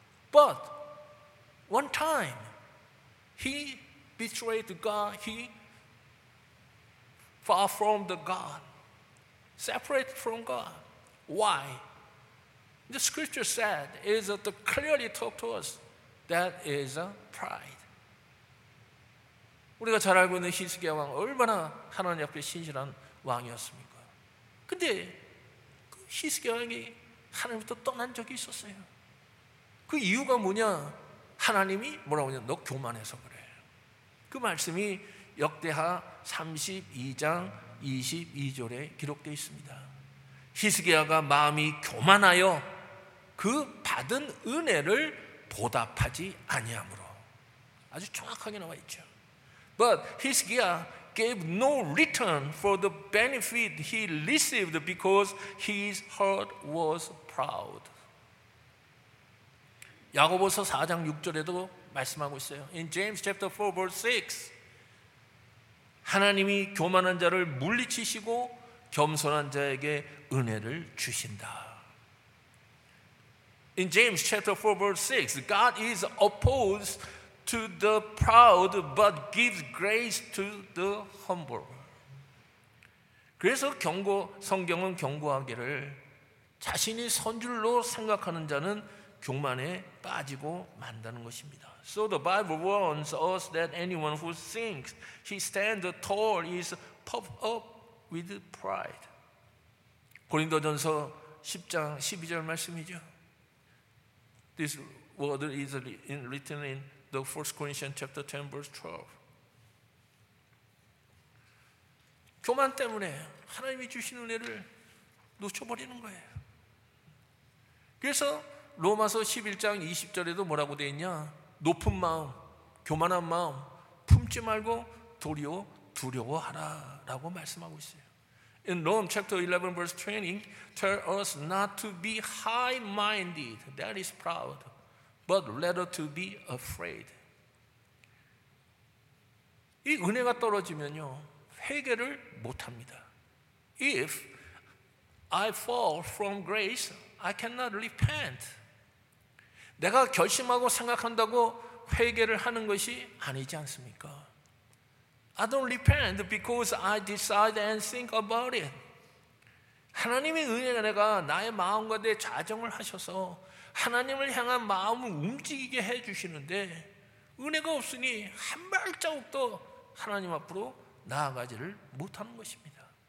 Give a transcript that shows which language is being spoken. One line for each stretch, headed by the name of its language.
English: But one time, he betrayed God. He far from the God, separate from God. Why? The scripture said is that clearly talk to us that is a pride.
Korean: 우리가 잘 알고 있는 히스기야 왕 얼마나 하나님 앞에 신실한 왕이었습니까? 근데 그 히스기야 왕이 하나님부터 떠난 적이 있었어요. 그 이유가 뭐냐? 하나님이 뭐라고 하냐? 너 교만해서 그래. 그 말씀이 역대하 32장 22절에 기록되어 있습니다. 히스기야가 마음이 교만하여 그 받은 은혜를 보답하지 아니함으로 아주 정확하게 나와 있죠.
English: But Hiskiah gave no return for the benefit he received because his heart was proud.
Korean: 야고보서 4장 6절에도 말씀하고 있어요.
English: In James chapter 4 verse 6
Korean: 하나님이 교만한 자를 물리치시고 겸손한 자에게 은혜를 주신다.
English: In James chapter 4 verse 6, God is opposed to the proud but gives grace to the humble.
Korean: 그래서 성경은 경고하기를 자신이 선줄로 생각하는 자는 교만에 빠지고 만다는 것입니다.
English: So the Bible warns us that anyone who thinks he stands tall is puffed up with pride.
Korean: 고린도전서 10장 12절 말씀이죠.
English: This word is written in the 1 Corinthians chapter 10, verse 12.
Korean: 교만 때문에 하나님이 주신 은혜를 놓쳐버리는 거예요. 그래서 로마서 11장 20절에도 뭐라고 되어 있냐? 높은 마음, 교만한 마음, 품지 말고 도리어 두려워하라 라고 말씀하고 있어요.
English: In Romans chapter 11 verse 20, tell us not to be high-minded, that is proud, but rather to be afraid.
Korean: 이 은혜가 떨어지면요, 회개를 못합니다.
English: If I fall from grace, I cannot repent.
Korean: 내가 결심하고 생각한다고 회개를 하는 것이 아니지 않습니까?
English: I don't repent because I decide and think about it.
Korean: 하나님의 은혜가 내가 나의 마음과 내 좌정을 하셔서 하나님을 향한 마음을 움직이게 해주시는데 은혜가 없으니 한 발자국도 하나님 앞으로 나아가지를 못하는 것입니다.